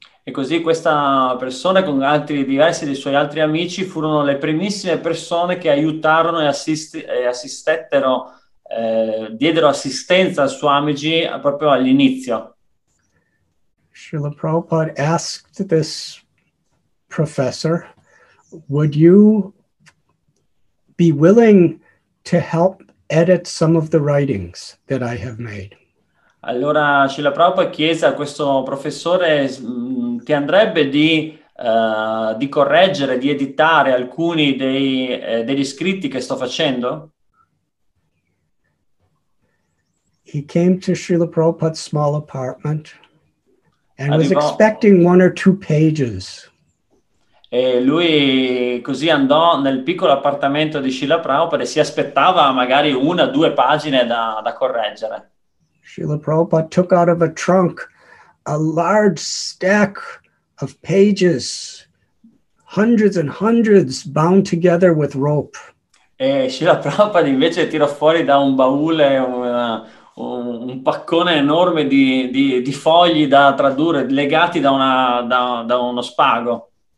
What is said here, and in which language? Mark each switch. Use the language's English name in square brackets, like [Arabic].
[Italian] E così questa persona con altri diversi dei suoi altri amici furono le primissime persone che aiutarono e assistettero diedero assistenza a Swamiji proprio all'inizio. [English] Srila Prabhupada asked this professor, would you be willing to help edit some of the writings that I have made? [Italian] Allora Srila Prabhupada chiese a questo professore ti andrebbe di correggere, di editare alcuni degli scritti che sto facendo? [English] He came to Srila Prabhupada's small apartment and was expecting one or two pages. [Italian] E lui così andò nel piccolo appartamento di Srila Prabhupada e si aspettava magari una o due pagine da correggere. [English] Srila Prabhupada took out of a trunk a large stack of pages, hundreds and hundreds bound together with rope. [Italian] E Srila Prabhupada invece tirò fuori da un baule un paccone enorme di fogli da tradurre, legati da uno spago.